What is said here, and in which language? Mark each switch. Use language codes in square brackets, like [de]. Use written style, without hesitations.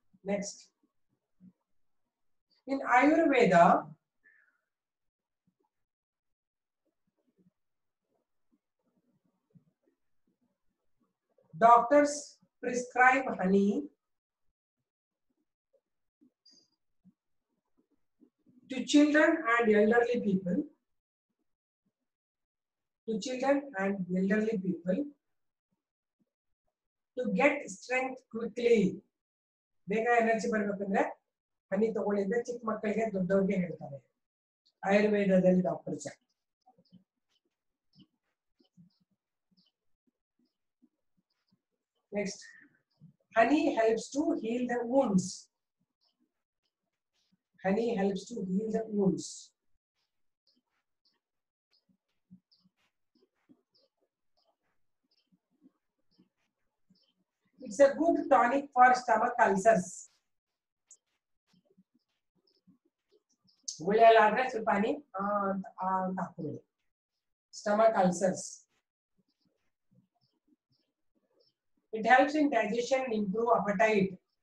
[en] Next, in Ayurveda doctors prescribe honey to children and elderly people, to children and elderly people to get strength quickly. [kn] ಬೇಗ energy ಬರ್ಬೇಕಂದ್ರೆ ಹನಿ ತಗೊಂಡಿದ್ರೆ ಚಿಕ್ಕ ಮಕ್ಕಳಿಗೆ ದೊಡ್ಡವ್ರಿಗೆ ಹೇಳ್ತಾರೆ ಆಯುರ್ವೇದದಲ್ಲಿ doctors. [en] Next, honey helps to heal the wounds. Honey helps to heal the wounds. It's a good tonic for stomach ulcers. [kn] ಗುಳಿ ಎಲ್ಲ ಆದ್ರೆ ಸ್ವಲ್ಪ ಹನಿ ಅಂತ ಹಾಕ್ಬಿಡಿ. [en] Stomach ulcers, it helps in digestion, improve appetite.